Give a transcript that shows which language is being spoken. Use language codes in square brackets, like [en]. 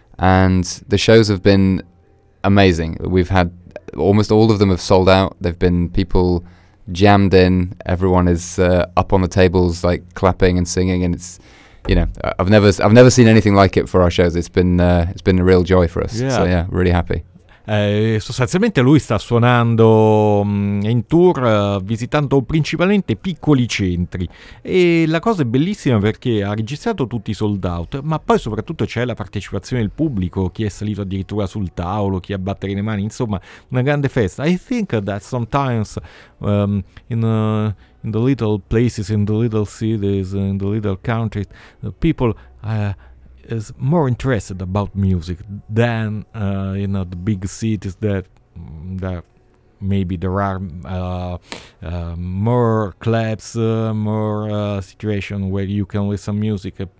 [en] And the shows have been amazing. We've had almost all of them have sold out. They've been people jammed in, everyone is up on the tables like clapping and singing, and it's, you know, I've never seen anything like it for our shows. It's been a real joy for us. Yeah. So yeah, really happy. [it] Sostanzialmente lui sta suonando in tour visitando principalmente piccoli centri, e la cosa è bellissima perché ha registrato tutti i sold out, ma poi soprattutto c'è la partecipazione del pubblico, chi è salito addirittura sul tavolo, chi a battere le mani, insomma una grande festa. [en] I think that sometimes in the little places, in the little cities, in the little countries, the people is more interested about music than you know, the big cities that maybe there are more clubs, more situation where you can listen music.